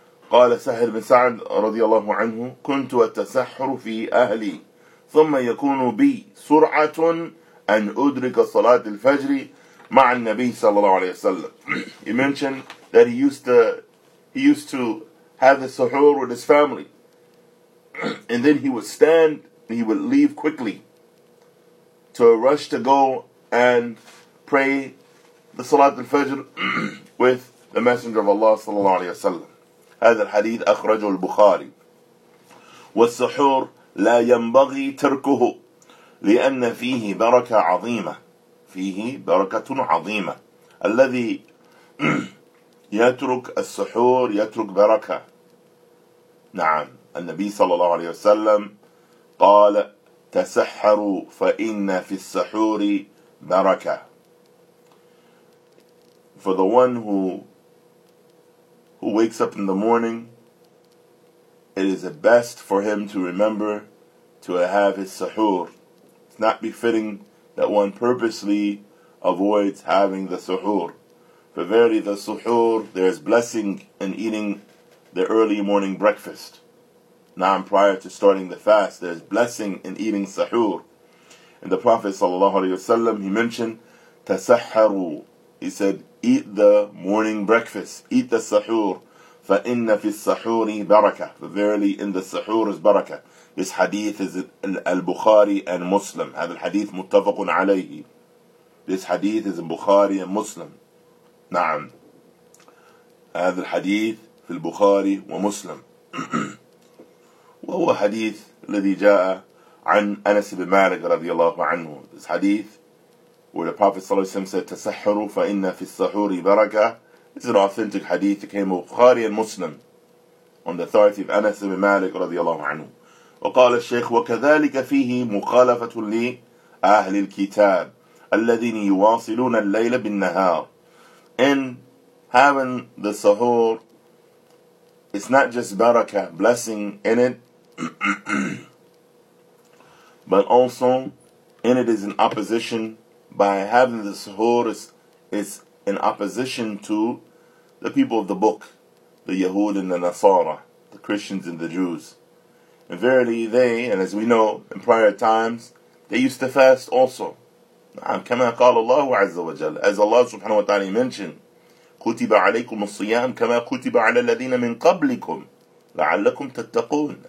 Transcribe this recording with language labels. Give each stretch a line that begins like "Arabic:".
Arabic: قال سهل بن سعد رضي الله عنه كنت أتسحر في أهلي ثم يكون بي سرعة أن أدرك صلاة الفجر مع النبي صلى الله عليه وسلم.
English: He mentioned that he used to have the suhoor with his family, and then he would stand and he would leave quickly to rush to go and pray the Salat al-Fajr with the Messenger of Allah صلى الله عليه وسلم.
Arabic: هذا الحديث أخرجه البخاري. والسحور لا ينبغي تركه لأن فيه بركة عظيمة. فيه بركة عظيمة. الذي يترك السحور يترك بركة. نعم. النبي صلى الله عليه وسلم قال تسحروا فإن في السحور بركة.
English: For the one who wakes up in the morning, it is the best for him to remember to have his suhoor. It's not befitting that one purposely avoids having the suhoor. For verily the suhoor, there is blessing in eating the early morning breakfast. Now prior to starting the fast, there is blessing in eating suhoor. And the Prophet sallallahu alaihi wasallam, he mentioned, تَسَحَّرُوا. He said, eat the morning breakfast. Eat the sahur.
Arabic: فَإِنَّ فِي السَّحُورِ بَرَكَةٌ.
English: Verily, in the sahur is barakah. This hadith is al-Bukhari and Muslim.
Arabic: هذا الحديث متفق عليه.
English: This hadith is in Bukhari and Muslim.
Arabic: نعم. هذا الحديث في البخاري ومسلم. وهو حديث الذي جاء عن أنس بن مالك رضي الله عنه.
English: This hadith, where the Prophet صلى الله عليه وسلم said,
Arabic: تسحروا فإن في السحور بركة.
English: It's an authentic hadith that came from Bukhari and Muslim on the authority of Anas ibn Malik رضي الله عنه.
Arabic: وقال الشيخ وكذلك فيه مخالفة لأهل الكتاب الذين يواصلون الليل بالنهار.
English: And having the sahur, it's not just baraka, blessing in it, but also in it is an opposition. By having the suhoor, it's in opposition to the people of the book, the Yahud and the Nasara, the Christians and the Jews. And verily they, and as we know in prior times, they used to fast also.
Arabic: كما قال الله عز وجل.
English: As Allah subhanahu wa ta'ala mentioned,
Arabic: كتب عليكم الصيام كما كتب على الذين من قبلكم لعلكم تتقون.